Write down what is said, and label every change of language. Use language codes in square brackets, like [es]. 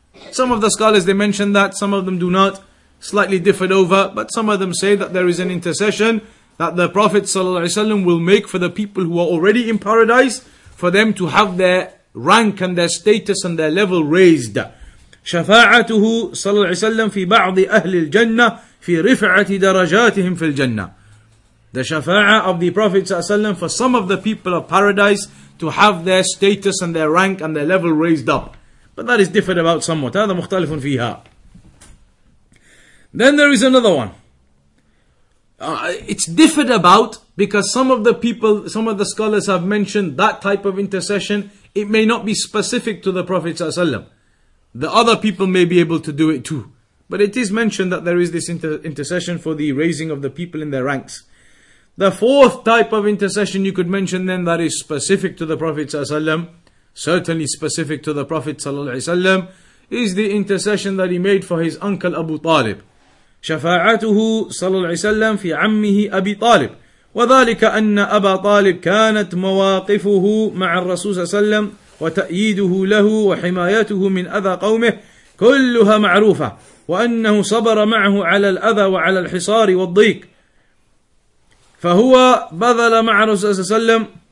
[en] Some of the scholars, they mention that, some of them do not, slightly differed over, but some of them say that there is an intercession that the Prophet ﷺ will make for the people who are already in paradise, for them to have their rank and their status and their level raised. [ar] شفاعته صلى الله عليه وسلم في بعض أهل الجنة في رفعة درجاتهم في الجنة. [en] The shafa'a of the Prophet صلى الله عليه وسلم for some of the people of paradise to have their status and their rank and their level raised up. But that is different about somewhat. [ar] هذا مختلف فيها. [en] Then there is another one. It's differed about because some of the people, some of the scholars have mentioned that type of intercession. It may not be specific to the Prophet صلى الله عليه وسلم. The other people may be able to do it too. But it is mentioned that there is this intercession for the raising of the people in their ranks. The fourth type of intercession you could mention then that is specific to the Prophet ﷺ, certainly specific to the Prophet ﷺ, is the intercession that he made for his uncle Abu Talib. [ar] شفاعته صلى الله عليه وسلم في عمه أبي طالب وذلك أن أبا طالب كانت مواقفه مع الرسول صلى الله عليه وسلم وتأييده له وحمايته من أذى قومه كلها معروفة وأنه صبر معه على الأذى وعلى الحصار والضيق فهو بذل مع رسول الله صلى الله عليه وسلم